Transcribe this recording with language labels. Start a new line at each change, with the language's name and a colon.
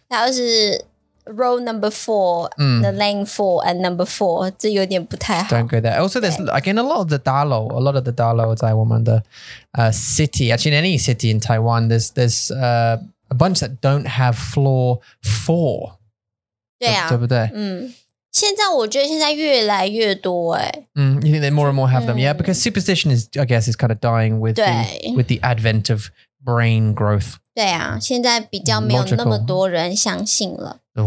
English: That was row number 4, the length 4 and number 4.
Chinese: 这有点不太好。
English: Don't go there. Also, there's, like in a lot of the Dalo, Taiwan, the city, actually in any city in Taiwan, there's a bunch that don't have floor 4.
Chinese: 对啊，对不对？现在我觉得现在越来越多诶。
English: You think they more and more have them? Yeah, because superstition is, I guess, is kind of dying with the advent of brain growth.
Chinese: 对啊，现在比较没有那么多人相信了。